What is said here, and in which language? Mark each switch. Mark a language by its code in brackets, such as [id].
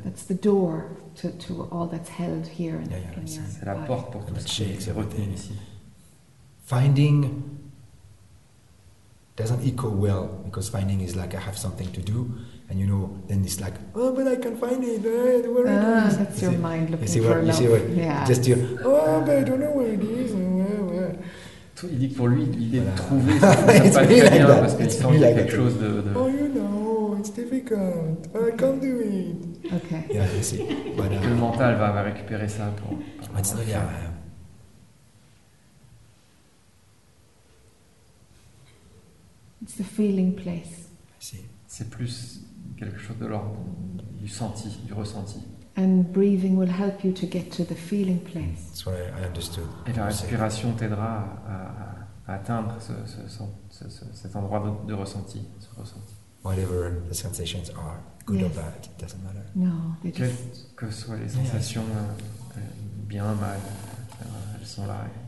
[en] That's the door to all that's held here in your body. [fr] C'est la porte pour tout ce qui est retenu ici. [en] Finding doesn't echo well, because finding is like I have something to do, and then it's like, oh, but I can't find it. Where it is? That's your mind looking for love. Just your, but I don't know where it is. Where. [fr] Il dit que pour lui, l'idée de trouver, ça ne va pas très bien, parce qu'il sent qu'il y a quelque chose de... [en] Oh, it's difficult. I can't do it. Okay. Yeah, you see. But, [fr] le mental va récupérer ça pour... [en] It's not, It's the feeling place. I see. [fr] C'est plus quelque chose de l'ordre, du senti, du ressenti. [en] And breathing will help you to get to the feeling place. That's what I understood. [fr] Et la respiration t'aidera à atteindre cet endroit de ressenti, ce ressenti. [en] Whatever the sensations are, good or bad, it doesn't matter. No, [fr] que soient les sensations bien, mal, elles sont là.